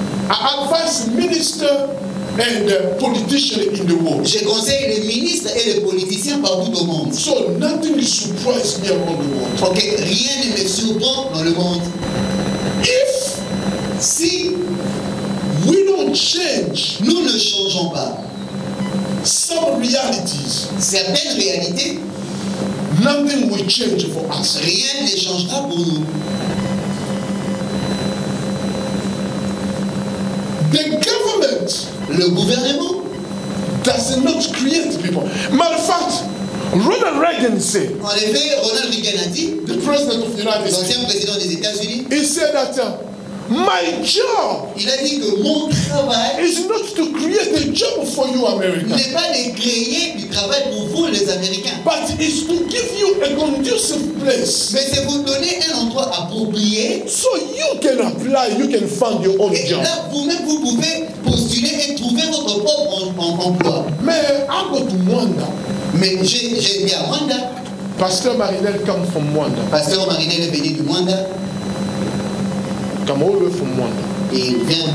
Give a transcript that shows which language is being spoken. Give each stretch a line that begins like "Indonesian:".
English: I advise ministers and politicians in the world.
French: Je conseille les ministres et les politiciens partout au monde.
English: So nothing surprises me around the world.
French: Okay, rien ne me surprend dans le monde.
English: If
French: si
English: we don't change,
French: nous ne changeons pas.
English: Some realities.
French: Certaines réalités.
English: Nothing will change for us.
French: Rien ne changera pour nous.
English: The government.
French: Le gouvernement.
English: Does not create people. Matter of fact, Ronald Reagan said.
French: En effet, Ronald Reagan a dit.
English: The president of the United States.
French: L'ancien président des États-Unis.
English: He said that. My job.
French: Il a dit que mon travail
English: is not to create a job for you, Americans.
French: N'est pas de créer du travail pour vous, les Américains.
English: But it's to give you a conducive place.
French: Mais c'est vous donner un endroit approprié.
English: So you can apply, you can find your own
French: et
English: job.
French: Et là, vous-même, vous pouvez postuler et trouver votre propre emploi.
English: Mais I go to Mwanda.
French: Mais j'ai dit à Mwanda.
English: Pasteur Marinel comes from Mwanda.
French: Pasteur Marinel est venu de Mwanda.
English: Come all the way from Mwanda.
French: Vient